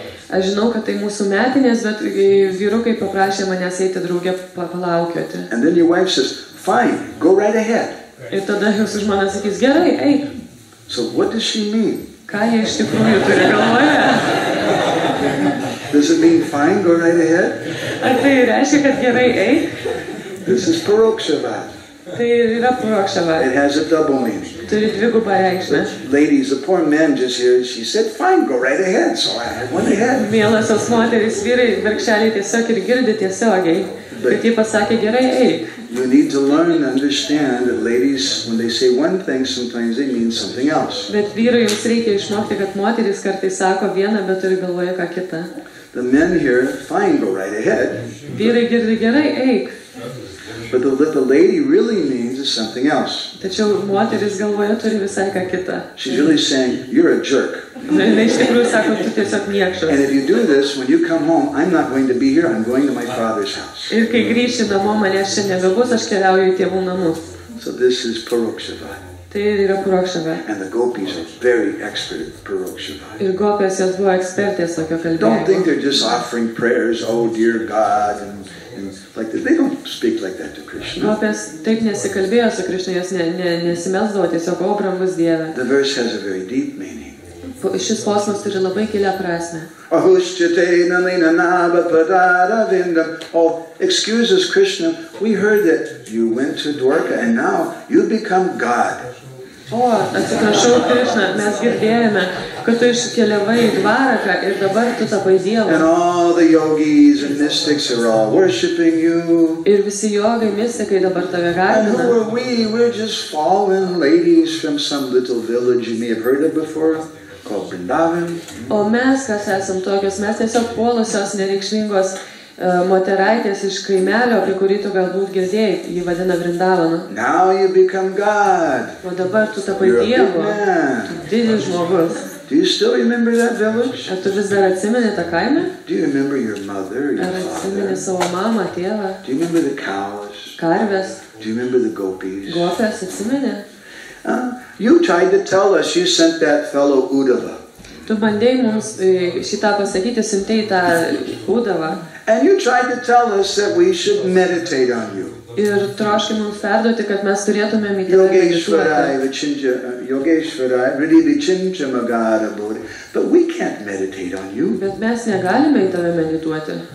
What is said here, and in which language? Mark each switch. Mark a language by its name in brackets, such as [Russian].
[Lithuanian] Aš žinau, kad tai mūsų metinės, bet vyrukai paprašė manęs eiti draugę palaukioti. [English] And then your wife says, fine, go right ahead. [Lithuanian] Ir tada jūsų žmona sakys, gerai, eik. [English] So what does she mean? [Lithuanian] Ką jie iš tikrųjų turi galvoje? [English] Does it mean fine, go right ahead? [Lithuanian] Ar tai reiškia, kad gerai, eik? [English] This is Parokshavad. [Lithuanian] Tai yra Parokshavad. [English] It has a double meaning. [Lithuanian] Turi dvigubą reikšmę. [English] Ladies, the poor man just here, she said, fine, go right ahead. So I went ahead. [Lithuanian] Mielosios moterys, vyrai, vargšeliai tiesiog ir girdi tiesiogiai. Bet jie pasakė, gerai, eik. [English] You need to learn and understand that ladies, when they say one thing, sometimes they mean something else. [Lithuanian] Bet vyrai, jums reikia išmokti, kad moterys kartais sako vieną, bet turi galvoje ką kitą. [English] The men here, fine, go right ahead. [Lithuanian] Vyrai girdi, gerai, eik. [English] But the lady really means is something else. [Lithuanian] Tačiau moteris galvoje turi visai ką kitą. [English] She's really saying, you're a jerk. And if you do this, when you come home, I'm not going to be here, I'm going to my father's house. So this is Parokshavad. And the gopis are very expert at Parokshavad. Don't think they're just offering prayers, oh dear God, and like that. They don't speak like that to Krishna. [Lithuanian] Gopis taip nesikalbėjo su Krishna, jos nesimelsdavo, tiesiog o brangus Dieve. [English] The verse has a very deep meaning. [Lithuanian] Šis posmas turi labai gilią prasmę. [Sanskrit] Ahushchate nalina nabapadaravinda. [English] Oh, excuse us, Krishna, we heard that you went to Dwarka and now you become God. [Lithuanian] O, atsiprašau, Krishna, mes girdėjome, kad tu iškeliavai į Dvaraką ir dabar tu tapai Dievu. [English] And all the yogis and mystics are all worshipping you. [Lithuanian] Ir visi jogai, mystikai dabar tave garbina. [English] And who are we? We're just fallen ladies from some little village you may have heard of before, called Vrindavan. [Lithuanian] O mes, kas esam tokios, mes tiesiog puolusios nereikšmingos moteraitės iš kaimelio, apie kurį tu galbūt girdėjai, jį vadina Vrindavanu. [English] Now you become God. [Lithuanian] O dabar tu tapai Dievu. [English] You're a big man. [Lithuanian] Tu didis žmogus. [English] Do you still remember that village? [Lithuanian] Ar tu vis dar atsimeni tą kaimą? [English] Do you remember your mother, your father? [Lithuanian] Ar atsimeni savo mamą, tėvą? [English] Do you remember the cows? [Lithuanian] Karves? [English] Do you remember the gopis? [Lithuanian] Gopės atsimeni? [English] You tried to tell us you sent that fellow Uddhava. [Lithuanian] Tu bandėjai mums šitą pasakyti, siuntei tą Uddhavą. [English] And you tried to tell us that we should meditate on you. [Lithuanian] Ir troškai mums perduoti, kad mes turėtumėm į tave medituoti. [English] But we can't meditate on you. [Lithuanian] Bet mes negalime į tave medituoti.